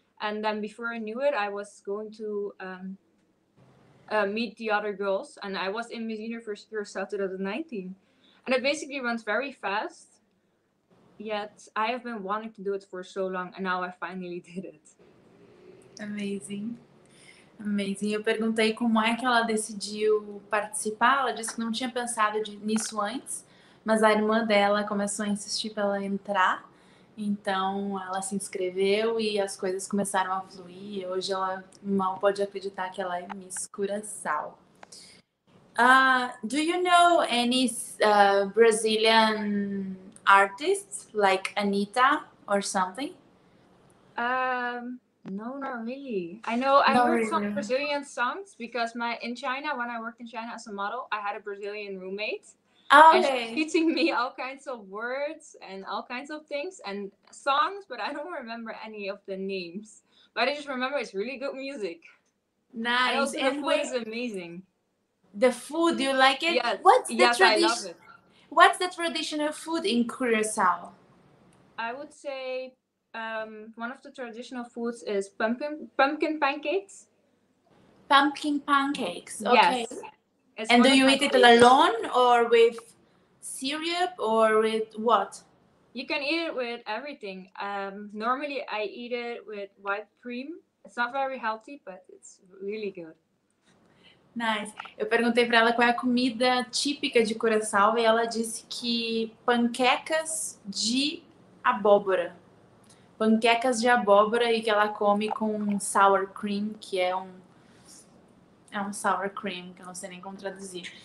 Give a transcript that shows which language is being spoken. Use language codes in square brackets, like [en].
[en] And then before I knew it, I was going to meet the other girls, and I was in Miss Universe Curaçao 2019. And it basically runs very fast. Yet I have been wanting to do it for so long, and now I finally did it. Amazing. Amazing. [pt] Eu perguntei como é que ela decidiu participar. Ela disse que não tinha pensado nisso antes, mas a irmã dela começou a insistir para ela entrar. Então ela se inscreveu e as coisas começaram a fluir. Hoje ela mal pode acreditar que ela é Miss Curaçao. [en] Do you know any Brazilian artists like Anita or something? No, not really. I know I heard some Brazilian songs because when I worked in China as a model, I had a Brazilian roommate. Okay. And she's teaching me all kinds of words and all kinds of things and songs, but I don't remember any of the names. But I just remember it's really good music. Nice. And also the food is amazing. The food, you like it? Yes. I love it. What's the traditional food in Curaçao? I would say one of the traditional foods is pumpkin pancakes. Pumpkin pancakes, okay. Yes. It's and do you eat it alone or with syrup or with what? You can eat it with everything. Normally I eat it with white cream. It's not very healthy, but it's really good. Nice. [pt] Eu perguntei para ela qual é a comida típica de Curaçao e ela disse que panquecas de abóbora. Panquecas de abóbora e que ela come com sour cream, que é um sour cream, que eu não sei nem como traduzir.